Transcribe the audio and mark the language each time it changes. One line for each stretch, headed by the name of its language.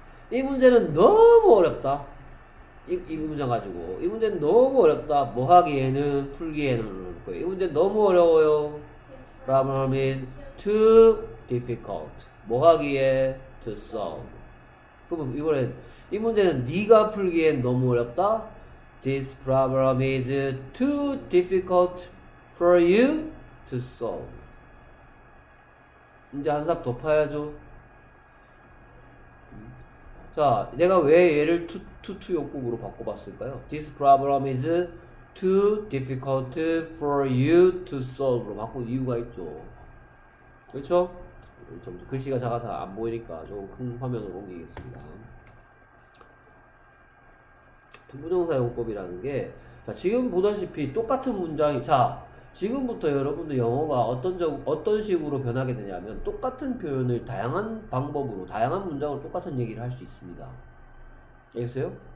Korean: 이 문제는 너무 어렵다. 이 문장 가지고. 이 문제는 너무 어렵다. 뭐 하기에는, 풀기에는. 이 문제 너무 어려워요.
English: Problem is too difficult.
Korean: 뭐 하기에
English: to solve.
Korean: 그럼 이번엔, 이 문제는 네가 풀기엔 너무 어렵다.
English: This problem is too difficult for you to solve.
Korean: 이제 한삽더 파야죠. 자, 내가 왜 얘를 투투 용법으로 바꿔봤을까요?
English: This problem is too difficult for you to solve로
Korean: 바꾼 이유가 있죠. 그렇죠? 좀 글씨가 작아서 안 보이니까 좀큰 화면으로 옮기겠습니다. 투부정사 용법이라는 게, 자, 지금 보다시피 똑같은 문장이, 자, 지금부터 여러분들 영어가 어떤 식으로 변하게 되냐면, 똑같은 표현을 다양한 방법으로, 다양한 문장으로 똑같은 얘기를 할수 있습니다. 알겠어요?